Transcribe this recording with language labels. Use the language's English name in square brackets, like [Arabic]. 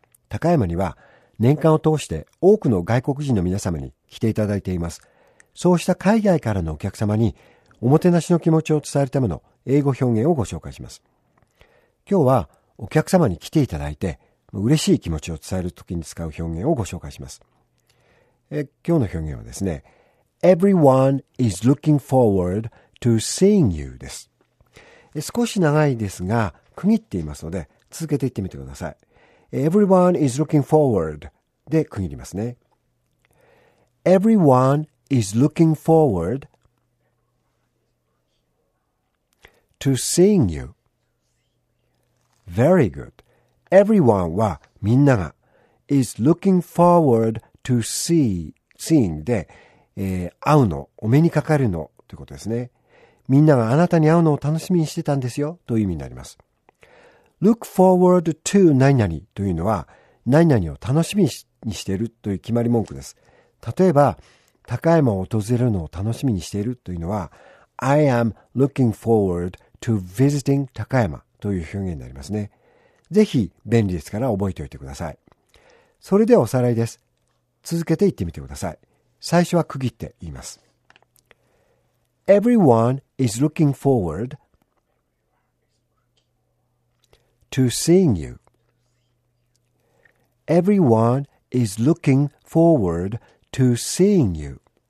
[Japanese] 高山には年間を通して多くの外国人の皆様に来ていただいています。そうした海外からのお客様におもてなしの気持ちを伝えるための英語表現をご紹介します。今日はお客様に来ていただいて嬉しい気持ちを伝えるときに使う表現をご紹介します。今日の表現はですね、 [English] Everyone is looking forward to seeing you [Japanese] です。少し長いですが、区切っていますので、続けていってみてください。 [English] Everyone is looking forward [Japanese] で区切りますね。 [English] Everyone is looking forward to seeing you. Very good. [Japanese] Everyone はみんなが [English] is looking forward to seeing [Japanese] で、会うの、お目にかかるのということですね。みんながあなたに会うのを楽しみにしてたんですよという意味になります。 [English] Look forward to [Japanese] 何々というのは何々を楽しみにしているという決まり文句です。例えば、高山を訪れるのを楽しみにしているというのは [English] I am looking forward to visiting [Japanese] 高山という表現になりますね。ぜひ便利ですから覚えておいてください。それではおさらいです。続けて言ってみてください。最初は区切って言います。 [English] Everyone is looking forward to seeing you. Everyone is looking forward to seeing you.